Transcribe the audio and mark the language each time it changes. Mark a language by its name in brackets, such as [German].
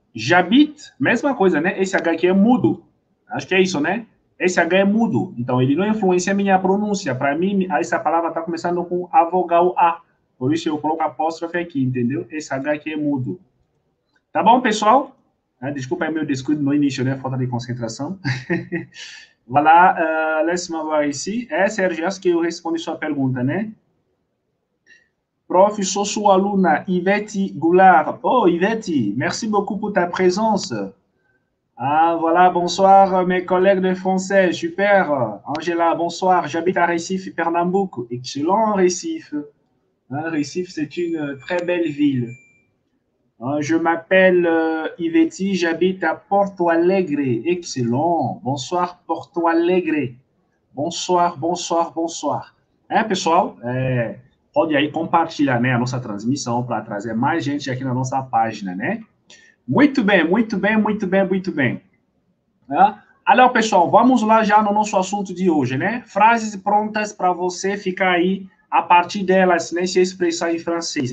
[Portuguese] J'habite, mesma coisa, né? Esse H aqui é mudo. Acho que é isso, né? Esse H é mudo. Então, ele não influencia a minha pronúncia. Para mim, essa palavra está começando com a vogal A. Por isso, eu coloco apóstrofe aqui, entendeu? Esse H aqui é mudo. Tá bom, pessoal? Desculpa aí meu descuido no início, né? Falta de concentração. [French] Voilà, laisse moi voir ici. [Portuguese] É, Sérgio, acho que eu respondi sua pergunta, né? Prof, sou sua aluna, Ivete Goulart. [French] Oh, Ivete, merci beaucoup pour ta présence. Ah, voilà, bonsoir, mes collègues de français. Super. Angela, bonsoir. J'habite à Recife, Pernambuco. Excellent, Recife. Hein, Recife, c'est une très belle ville. Je m'appelle Ivetti, j'habite à Porto Alegre. Excellent. Bonsoir, Porto Alegre. Bonsoir, bonsoir, bonsoir. [Portuguese] Hein, pessoal, pode aí compartilhar, né, a nossa transmissão para trazer mais gente aqui na nossa página, né? Muito bem, muito bem, muito bem, muito bem. Hein? [French] Alors, [Portuguese] pessoal, vamos lá já no nosso assunto de hoje, né? Frases prontas para você ficar aí a partir delas, né, se expressar em francês.